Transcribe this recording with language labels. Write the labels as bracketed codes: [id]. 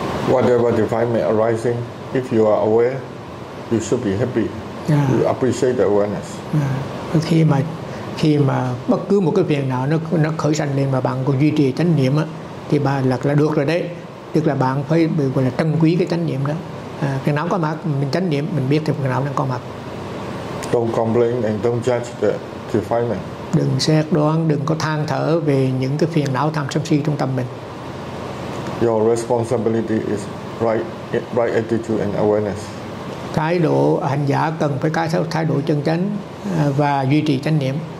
[en] Whatever defilement may arising, if you are aware, you should be happy. Yeah. You appreciate the awareness. Yeah. Okay, my. [vi] Khi mà bất cứ một cái phiền nào nó khởi sanh lên mà bạn còn duy trì chánh niệm á, thì bà là được rồi đấy, tức là bạn phải gọi là trân quý cái chánh niệm đó. Phiền não có mặt, mình chánh niệm mình biết thì phiền não đang có mặt. [en] Don't complain and don't judge the defilement. [vi] Đừng xét đoán, đừng có than thở về những cái phiền não tham sân si trong tâm mình. Your responsibility is right attitude and awareness. Thái độ hành giả cần phải cái thái độ chân chánh và duy trì chánh niệm.